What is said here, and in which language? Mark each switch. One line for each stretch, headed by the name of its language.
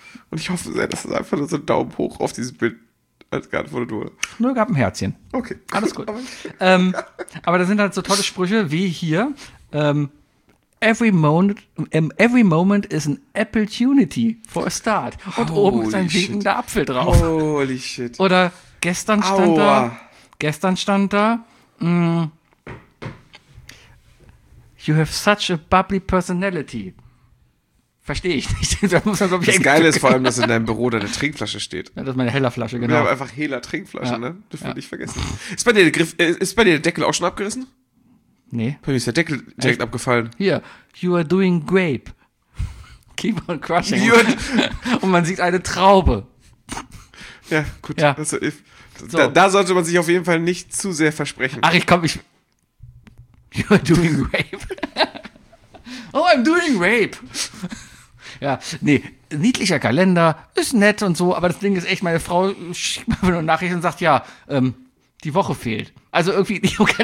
German: Und ich hoffe sehr, dass es einfach nur so einen Daumen hoch auf dieses Bild als geantwortet wurde. Nur gab ein Herzchen. Okay. Gut. Alles gut. aber da sind halt so tolle Sprüche wie hier, every moment is an opportunity for a start. Und
English: holy
German: oben ist ein winkender Apfel drauf.
English: Holy shit.
German: Oder gestern Aua. Stand da, you have such a bubbly personality. Verstehe ich nicht. Das Geile ist vor allem, dass in deinem Büro deine Trinkflasche steht. Ja, das ist meine heller Flasche, genau. Wir haben einfach heller Trinkflasche, ja. ne? Das will ja. ich vergessen. Ist bei dir der Deckel auch schon abgerissen? Nee. Bei mir ist der Deckel direkt echt? Abgefallen.
English: Hier, you are doing grape. Keep on crushing.
German: Und man sieht eine Traube. Ja, gut. Ja. Also, da sollte man sich auf jeden Fall nicht zu sehr versprechen.
English: Ach, you are doing grape. Oh, I'm doing grape.
German: Ja, nee, niedlicher Kalender, ist nett und so, aber das Ding ist echt, meine Frau schickt mir eine Nachricht und sagt, ja, die Woche fehlt. Also irgendwie, nicht okay,